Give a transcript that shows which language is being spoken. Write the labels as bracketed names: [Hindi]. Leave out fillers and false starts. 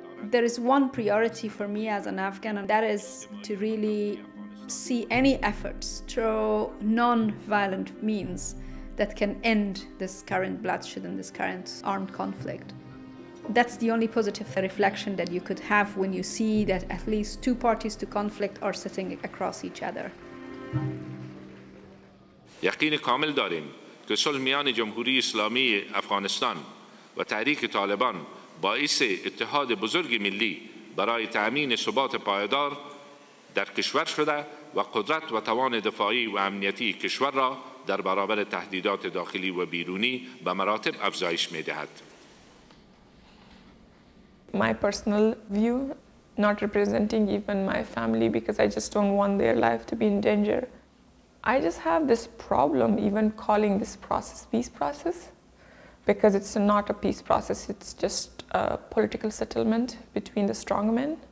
[English] There is one priority for me as an Afghan, and that is to really see any efforts through non-violent means. That can end this current bloodshed and this current armed conflict. That's the only positive reflection that you could have when you see that at least two parties to conflict are sitting across each other. [Persian] یقین کامل داریم که صلح میان جمهوری اسلامی افغانستان و تحریک طالبان باعث اتحاد بزرگ ملی برای تأمین ثبات پایدار در کشور شده و قدرت و توان دفاعی و امنیتی کشور را در برابر تهدیدات داخلی و بیرونی به مراتب افزایش می‌دهد. [English] My personal view, not representing even my family because I just don't want their life to be in danger. I just have this problem even calling this process peace process because it's not a peace process, it's just a political settlement between the strongmen.